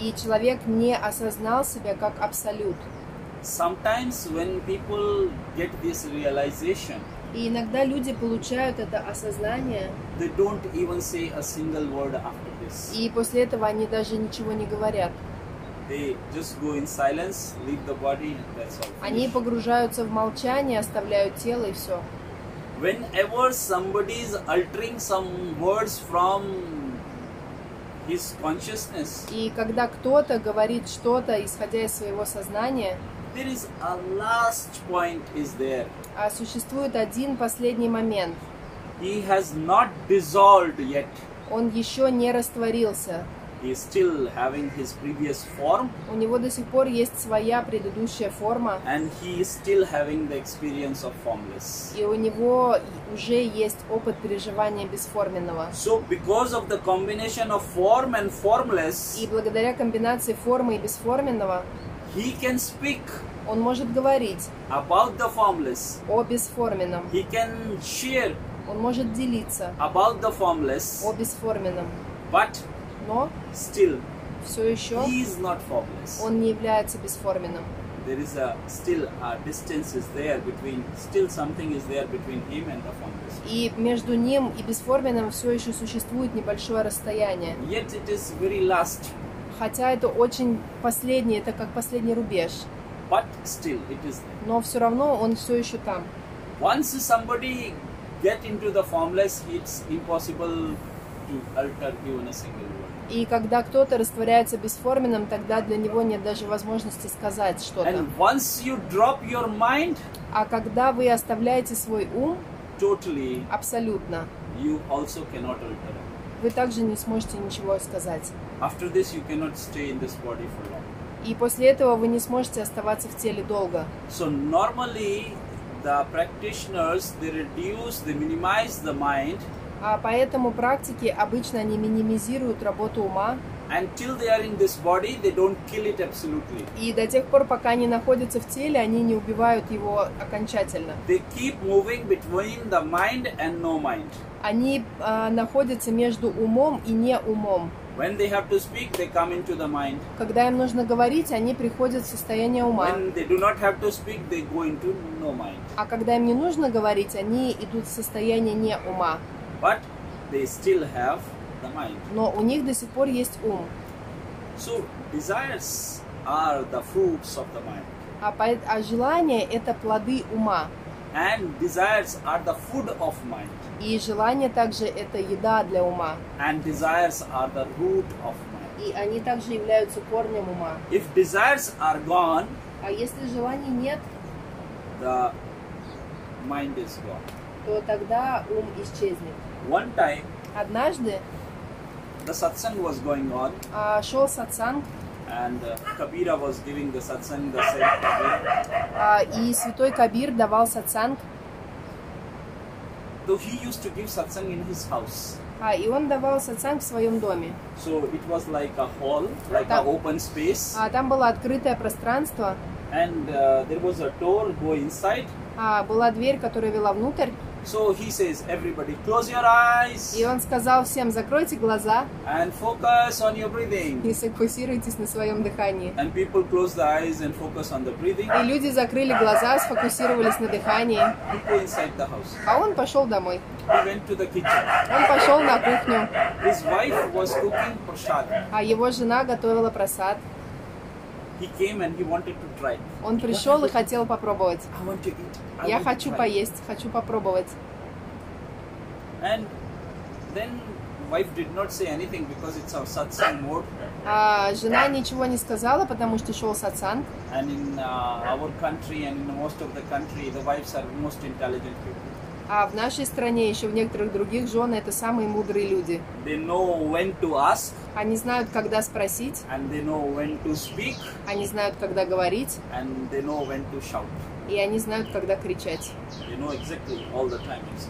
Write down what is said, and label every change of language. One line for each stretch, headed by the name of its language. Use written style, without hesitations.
Russian: И человек не осознал себя как абсолют.
English: Sometimes when people get this realization.
Russian: И иногда люди получают это осознание.
English: They don't even say a single word after this.
Russian: И после этого они даже ничего не говорят.
English: They just go in silence, leave the body, and that's all.
Russian: Они погружаются в молчание, оставляют тело и все.
English: Whenever somebody is uttering some words from his consciousness.
Russian: И когда кто-то говорит что-то, исходя из своего сознания.
English: There is a last point is there.
Russian: А существует один последний момент.
English: He has not dissolved yet.
Russian: Он еще не растворился.
English: he is still having his previous form.
Russian: У него до сих пор есть своя предыдущая форма.
English: And he is still having the experience of formless.
Russian: И у него уже есть опыт переживания бесформенного.
English: So because of the combination of form and formless.
Russian: И благодаря комбинации формы и бесформенного.
English: He can speak.
Russian: Он может говорить.
English: About the formless.
Russian: О бесформенном.
English: He can share.
Russian: Он может делиться.
English: About the formless.
Russian: О бесформенном.
English: But.
Russian: Но
English: still,
Russian: все еще
English: he is not formless.
Russian: Он не является бесформенным.
English: There is a still a distance is there between still something is there between him and the formless.
Russian: И между ним и бесформенным все еще существует небольшое расстояние.
English: Yet it is very last.
Russian: Хотя это очень последний, это как последний рубеж.
English: But still it is there.
Russian: Но все равно он все еще там.
English: Once somebody get into the formless, it's impossible to alter even a single word.
Russian: И когда кто-то растворяется бесформенным, тогда для него нет даже возможности сказать что-то.
English: And once you drop your mind,
Russian: а когда вы оставляете свой ум,
English: totally,
Russian: абсолютно,
English: you also cannot alter.
Russian: Вы также не сможете ничего сказать.
English: After this, you cannot stay in this body for long.
Russian: И после этого вы не сможете оставаться в теле долго.
English: So normally, the practitioners, they reduce, they minimize the mind.
Russian: А поэтому практики обычно они минимизируют работу ума.
English: Until they are in this body, they don't kill it absolutely.
Russian: И до тех пор, пока они находятся в теле, они не убивают его окончательно.
English: They keep moving between the mind and no mind.
Russian: Они находятся между умом и не умом.
English: When they have to speak, they come into the mind.
Russian: Когда им нужно говорить, они приходят в состояние ума.
English: When they do not have to speak, they go into no mind.
Russian: А когда им не нужно говорить, они идут в состояние не ума.
English: But they still have the mind.
Russian: Но у них до сих пор есть ум.
English: So desires are the fruits of the mind.
Russian: А желания это плоды ума.
English: And desires are the food of mind.
Russian: И желания также это еда для ума.
English: And desires are the root of mind.
Russian: И они также являются корнем ума.
English: If desires are gone,
Russian: а если желаний нет,
English: the mind is gone.
Russian: То тогда ум исчезнет.
English: One time,
Russian: однажды,
English: the satsang was going on.
Russian: Шел сатсанг.
English: And Kabira was giving the satsang the same thing.
Russian: И святой Кабир давал сатсанг.
English: So he used to give satsang in his house.
Russian: И он давал сатсанг в своем доме.
English: So it was like a hall, like an open space.
Russian: Там было открытое пространство.
English: And there was a door go inside.
Russian: Была дверь, которая вела внутрь.
English: So he says, everybody, close your eyes.
Russian: И он сказал всем, закройте глаза.
English: And focus on your breathing.
Russian: И сфокусируйтесь на своем дыхании.
English: And people close the eyes and focus on the breathing.
Russian: И люди закрыли глаза, сфокусировались на дыхании.
English: He went inside the house.
Russian: А он пошел домой.
English: He went to the kitchen.
Russian: Он пошел на кухню.
English: His wife was cooking prasad.
Russian: А его жена готовила прасад.
English: He came and he wanted to try.
Russian: Он пришел и хотел попробовать.
English: I want to eat.
Russian: Я хочу поесть, хочу попробовать.
English: And then wife did not say anything because it's a satsang mode.
Russian: Жена ничего не сказала, потому что шел сатсанг.
English: And in our country and in most of the country, the wives are most intelligent people.
Russian: В нашей стране еще в некоторых других жены это самые мудрые люди.
English: They know when to ask.
Russian: Они знают, когда спросить.
English: And they know when to speak.
Russian: Они знают, когда говорить.
English: And they know when to shout.
Russian: И они знают, когда кричать.
English: They know exactly all the time.